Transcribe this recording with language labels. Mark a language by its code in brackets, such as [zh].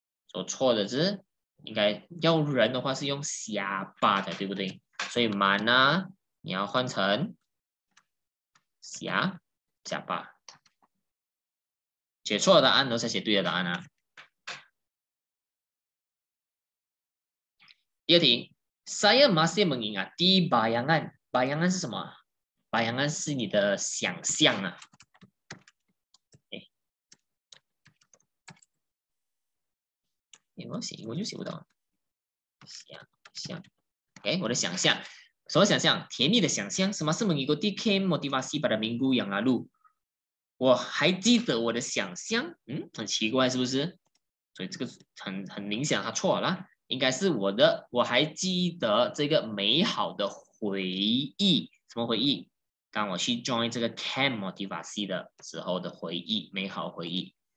[zh] 所错的字应该要人的话是用下巴的，对不对？所以 mana 你要换成下巴。写错的答案，然后再写对的答案啊。第二题 ， [ms] saya masih mengingati bayangan，bayangan [zh] 是什么 bayangan 是你的想象啊。没关系，我就写不到。想象，哎，我的想象，什么想象？甜蜜的想象。什么是 [ms] mengikuti motivasi pada minggu yang lalu？ [zh] 我还记得我的想象，很奇怪是不是？所以这个很明显他错了，应该是我还记得这个美好的回忆，什么回忆？当我去 join 这个 camp motivasi 的时候的回忆，美好回忆。